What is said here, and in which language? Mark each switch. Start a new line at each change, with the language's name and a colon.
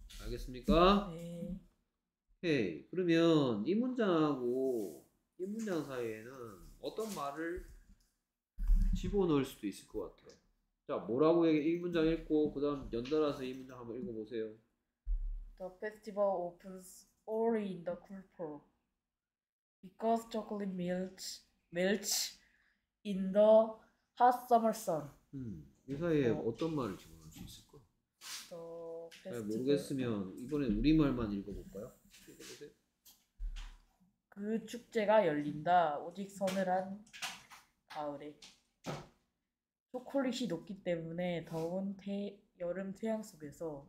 Korean: 알겠습니까? 네. 오케이. 그러면 이 문장하고 이 문장 사이에는 어떤 말을 집어넣을 수도 있을 것 같아요. 자, 뭐라고 얘기, 이 문장 읽고 그다음 연달아서 이 문장 한번 읽어보세요.
English: The festival opens only in the cool fall because chocolate melts in the hot summer sun.
Korean: 이 사이에 어떤 말을 집어넣을 수 있을까? 잘
English: The festival.
Korean: 모르겠으면 이번에 우리말만 읽어볼까요? 읽어보세요. 그 축제가 열린다. 오직 서늘한 가을에. 초콜릿이 녹기 때문에 더운 여름 태양 속에서.